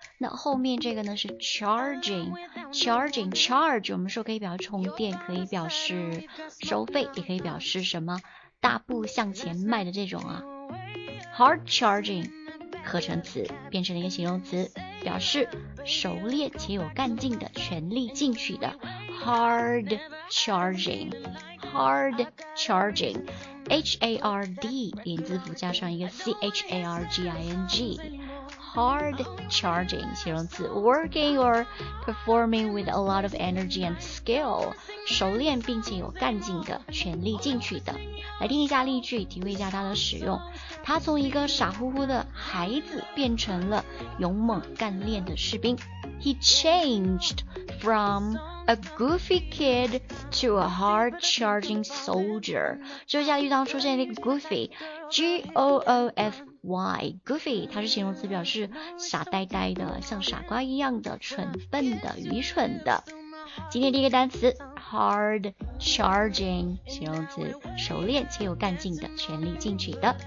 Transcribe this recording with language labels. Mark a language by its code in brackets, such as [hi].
[zh] 那后面这个呢是 charging，charge 我们说可以表示充电，可以表示收费，也可以表示什么大步向前迈的这种啊。 hard charging合成词变成了一个形容词，表示熟练且有干劲的，全力进取的。 Hard charging， Hard charging， H-A-R-D 连字符加上一个 C-H-A-R-G-I-N-G， Hard charging 形容词， [en] Working or performing with a lot of energy and skill， [zh] 熟练并且有干劲的，全力进取的。来听一下例句，体会一下它的使用。他从一个傻乎乎的孩子变成了勇猛干练的士兵。 [en] He changed from a goofy kid to a hard-charging soldier. [zh] 这下句当出现了一个 goofy，G-O-O-F-Y， goofy， 它是形容词，表示傻呆呆的，像傻瓜一样的，蠢笨的，愚蠢的。今天第一个单词 hard charging 形容词，熟练且有干劲的，全力进取的。